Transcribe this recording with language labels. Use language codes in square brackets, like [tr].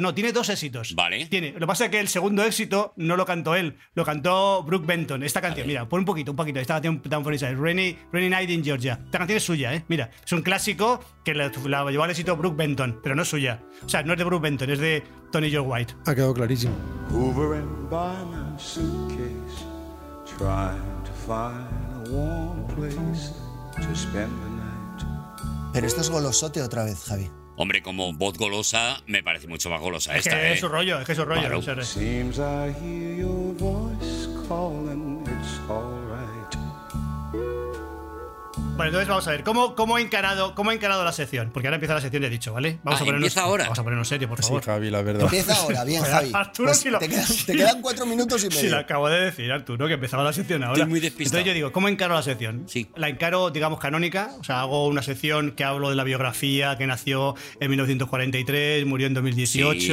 [es] No, tiene dos éxitos. Vale. Tiene. Lo que pasa es que el segundo éxito no lo cantó él, lo cantó Brooke Benton. Esta canción, mira, pon un poquito. Esta canción, Down for Inside, Rainy Night in Georgia. Esta canción es suya, ¿eh? Mira, es un clásico que la llevó al éxito Brooke Benton, pero no es suya. O sea, no es de Brooke Benton, es de Tony Joe White. Ha quedado clarísimo. [en] Hoovering by my suitcase, trying to find a warm place to spend the night. [es] Pero esto es golosote otra vez, Javi. Hombre, como voz golosa, me parece mucho más golosa esta, ¿eh? Es que es su rollo. Claro. [en] Seems I hear your voice calling, it's all right. [es] Bueno, entonces vamos a ver, ¿cómo he encarado la sección? Porque ahora empieza la sección, ya he dicho, ¿vale? Vamos a ponernos serio, por favor. Sí, Javi, la verdad. Empieza ahora, bien, Javi. Arturo, pues te quedan 4 minutos y medio. Sí, lo acabo de decir, Arturo, que empezaba la sección ahora. Estoy muy despistado. Entonces yo digo, ¿cómo encaro la sección? Sí. La encaro, digamos, canónica. O sea, hago una sección que hablo de la biografía, que nació en 1943, murió en 2018, sí.